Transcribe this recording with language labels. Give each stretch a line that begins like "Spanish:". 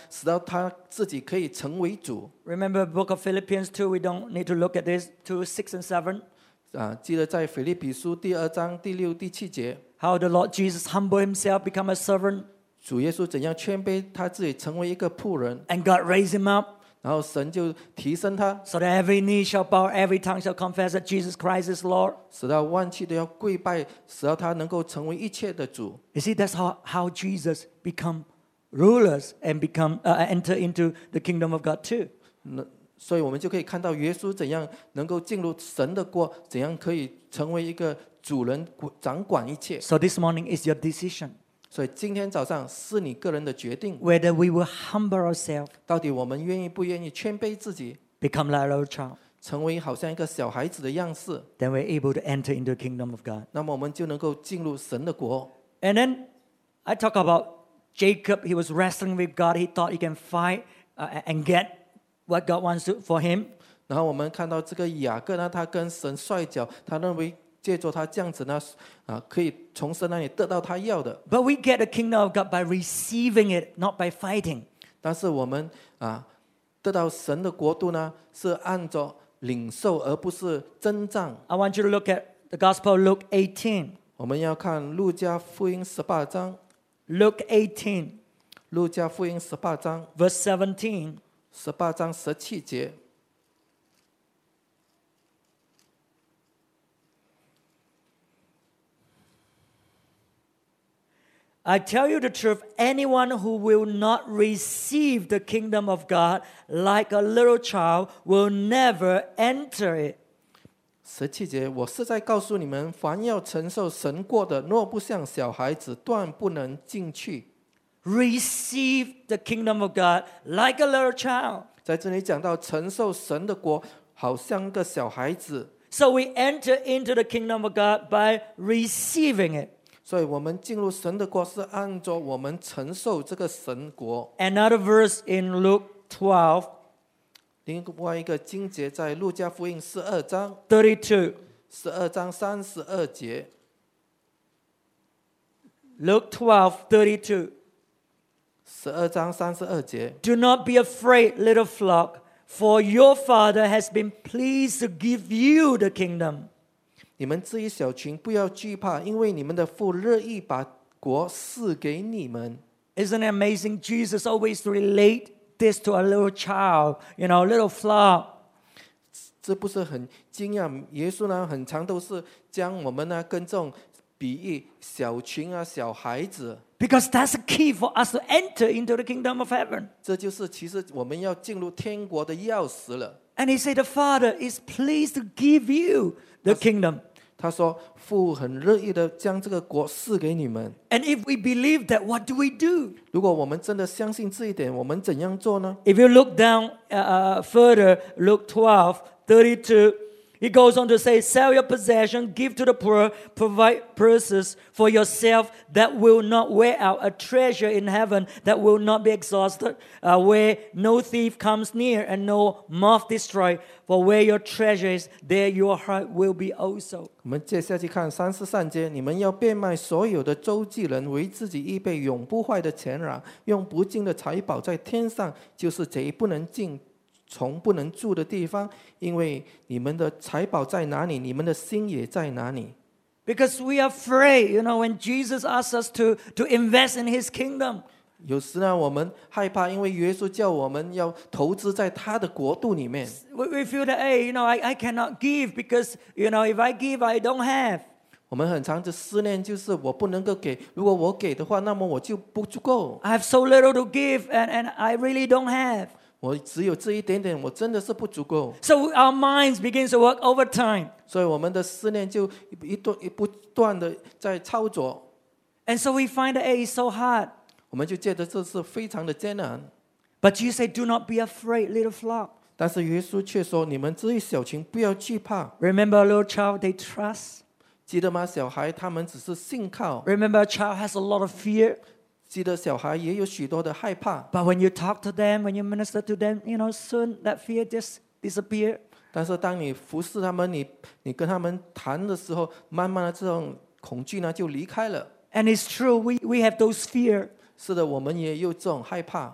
Chinese: 使到他自己可以成为主。
English: Remember the book of Philippians 2, we don't need to look at this, 2, 6 and 7.
Chinese: 记得在腓立比书第二章第六、第七节。
English: How the Lord Jesus humbled himself, become a servant.
Chinese: 主耶稣怎样谦卑他自己成为一个仆人。
English: And God raised him up.
Chinese: 然后神就提升他。
English: So that every knee shall bow, every tongue shall confess that Jesus Christ is Lord.
Chinese: 使到万气都要跪拜，使到他能够成为一切的主。
English: You see, that's how Jesus become rulers and become enter into the kingdom of God too.
Chinese: 所以我们就可以看到耶稣怎样能够进入神的国，怎样可以成为一个主人，掌管一切。
English: So this morning is your decision.
Chinese: 所以今天早上是你个人的决定。
English: Whether we will humble ourselves,
Chinese: 到底我们愿意不愿意谦卑自己
English: ，become like a little child,
Chinese: 成为好像一个小孩子的样式
English: ，then we're able to enter into the kingdom of God.
Chinese: 那么我们就能够进入神的国。
English: And then I talk about Jacob. He was wrestling with God. He thought he can fight and get what God wants for him.
Chinese: 然后我们看到这个雅各呢，他跟神摔跤，他认为。借着他这样子呢，可以从神那里得到他要的。
English: But we get the kingdom of God by receiving it, not by fighting.
Chinese: 但是我们得到神的国度呢，是按着领受，而不是征战。
English: I want you to look at the Gospel of Luke 18.
Chinese: 我们要看路加福音十八章。
English: Luke 18.
Chinese: 路加福音十八章。
English: Verse 17.
Chinese: 十八章十七节。
English: I tell you the truth, anyone who will not receive the kingdom of God like a little child will never enter it.
Chinese: 十七节，我实在告诉你们，凡要承受神国的，若不像小孩子，断不能进去。
English: Receive the kingdom of God like a little child.
Chinese: 在这里讲到承受神的国，好像个小孩子。
English: So we enter into the kingdom of God by receiving it.
Chinese: 所以我们进入神的国是按照我们承受这个神国。
English: Another verse in Luke 12.
Chinese: 另外一个经节在路加福音十二章
English: 32.
Chinese: 十二章三十二节。
English: Luke 12:32.
Chinese: 十二章三十二节。
English: Do not be afraid, little flock, for your Father has been pleased to give you the kingdom.
Chinese: 你们这一小群不要惧怕，因为你们的父乐意把国赐给你们。
English: Isn't it amazing? Jesus always relate this to a little child, you know, a little flock.
Chinese: 这不是很惊讶？耶稣呢，很常都是将我们呢跟这种比喻小群啊、小孩子。
English: Because that's the key for us to enter into the kingdom of heaven.
Chinese: 这就是其实我们要进入天国的钥匙了。
English: And he said, the Father is pleased to give you the kingdom.
Chinese: 他说父很乐意地将这个国赐给你们。
English: And if we believe that, what do we do?
Chinese: 如果我们真的相信这一点，我们怎样做呢？
English: If you look down further, Luke 12, 32, he goes on to say, sell your possession, give to the poor, provide purses for yourself that will not wear out, a treasure in heaven that will not be exhausted, where no thief comes near and no moth destroy. For where your treasure is, there your heart will be also.
Chinese: 我们接下去看三十三节，你们要变卖所有的周济人，为自己预备永不坏的钱壤，用不尽的财宝在天上，就是贼不能进，从不能住的地方。因为你们的财宝在哪里，你们的心也在哪里。
English: Because we are afraid, you know, when Jesus asks us to invest in His kingdom.
Chinese: 有时呢，我们害怕，因为耶稣叫我们要投资在他的国度里面。
English: We feel that, hey, you know, I cannot give because, you know, if I give, I don't have.
Chinese: 我们很常的思念就是我不能够给，如果我给的话，那么我就不足够。
English: I have so little to give and I really don't have.
Chinese: 我只有这一点点，我真的是不足够。
English: So our minds begin to work overtime.
Chinese: 所以我们的思念就不断的在操作。
English: And so we find that it's so hard.
Chinese: 我们就觉得这是非常的艰难。
English: But you say, do not be afraid, little flock.
Chinese: 但是耶稣却说，你们这些小群不要惧怕。
English: Remember, a little child, they trust.
Chinese: 记得吗？小孩他们只是信靠。
English: Remember, a child has a lot of fear.
Chinese: 记得小孩也有许多的害怕。
English: But when you talk to them, when you minister to them, you know, soon that fear just disappears.
Chinese: 但是当你服侍他们，你跟他们谈的时候，慢慢的这种恐惧呢就离开了。
English: And it's true, we have those fear.
Chinese: 是的，我们也有这种害怕。